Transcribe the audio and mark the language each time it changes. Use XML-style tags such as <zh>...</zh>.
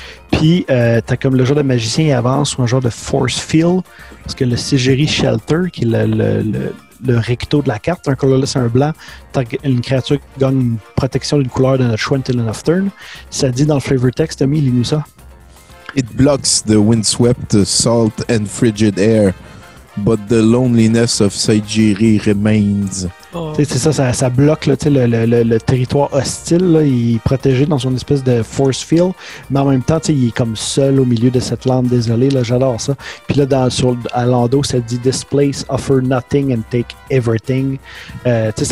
<fr>Puis, t'as comme le genre de magicien qui avance, ou un genre de force field, parce que le Sedgeri Shelter, qui est le recto de la carte, un colorless, un blanc, une créature qui gagne une protection d'une couleur de notre choix</fr> <en>until end of turn.</en> <fr>Ça dit dans le flavor text, Tommy, lis-nous ça.</fr> <en>It blocks the windswept salt and frigid air, but the loneliness of Sedgeri remains. Oh.</en> <fr>C'est ça, ça bloque là, le territoire hostile. Là, il est protégé dans son espèce de force field, mais en même temps, il est comme seul au milieu de cette lande désolée. Là, j'adore ça. Puis là, à l'ando, ça dit «</fr> <en>Displace, offer nothing and take everything ».</en>